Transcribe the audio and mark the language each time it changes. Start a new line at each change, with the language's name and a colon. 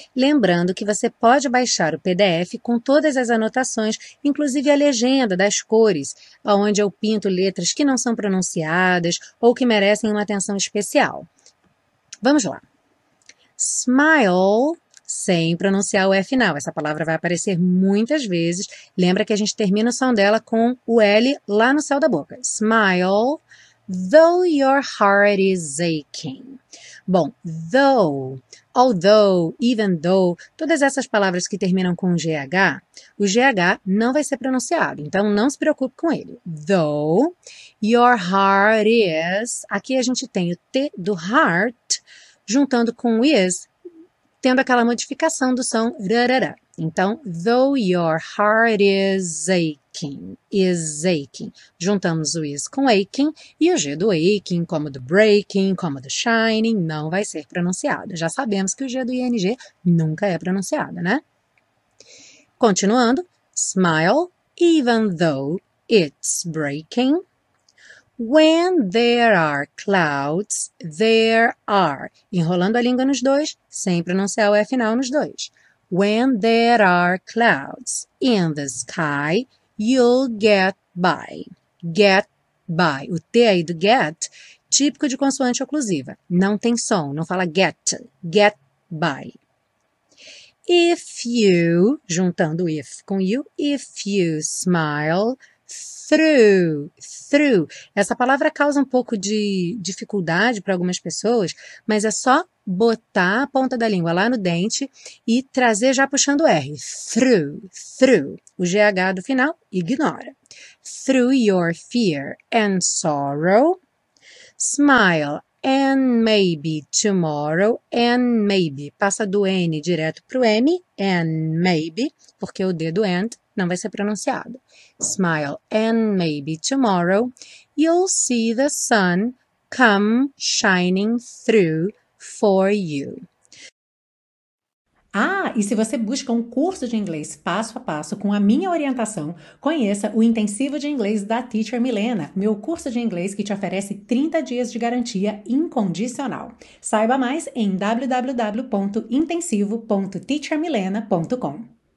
Portuguese: Lembrando que você pode baixar o PDF com todas as anotações, inclusive a legenda das cores, onde eu pinto letras que não são pronunciadas ou que merecem uma atenção especial. Vamos lá. Smile, sem pronunciar o E final. Essa palavra vai aparecer muitas vezes. Lembra que a gente termina o som dela com o L lá no céu da boca.
English: Smile, though your heart is aching.
Portuguese: Bom,
English: though, although, even though,
Portuguese: todas essas palavras que terminam com GH, o GH não vai ser pronunciado, então não se preocupe com ele.
English: Though your heart is,
Portuguese: aqui a gente tem o T do heart, juntando com is, tendo aquela modificação do som rarara. Então,
English: though your heart is aching,
Portuguese: juntamos o is com aching e o g do aching, como do breaking, como do shining, não vai ser pronunciado. Já sabemos que o g do ing nunca é pronunciado, né? Continuando,
English: smile, even though it's breaking. When there are clouds, there are.
Portuguese: Enrolando a língua nos dois, sem pronunciar o E final nos dois.
English: When there are clouds in the sky, you'll get by. Get by.
Portuguese: O T aí do get, típico de consoante oclusiva. Não tem som, não fala get.
English: Get by. If you, juntando if com you, if you smile through, through.
Portuguese: Essa palavra causa um pouco de dificuldade para algumas pessoas, mas é só botar a ponta da língua lá no dente e trazer já puxando o R.
English: Through, through.
Portuguese: O GH do final, ignora.
English: Through your fear and sorrow, smile and maybe tomorrow, and maybe.
Portuguese: Passa do N direto para o M,
English: and maybe,
Portuguese: porque o D do and não vai ser pronunciado.
English: Smile and maybe tomorrow, you'll see the sun come shining through for you.
Portuguese: Ah, e se você busca um curso de inglês passo a passo com a minha orientação, conheça o Intensivo de Inglês da Teacher Milena, meu curso de inglês que te oferece 30 dias de garantia incondicional. Saiba mais em www.intensivo.teachermilena.com.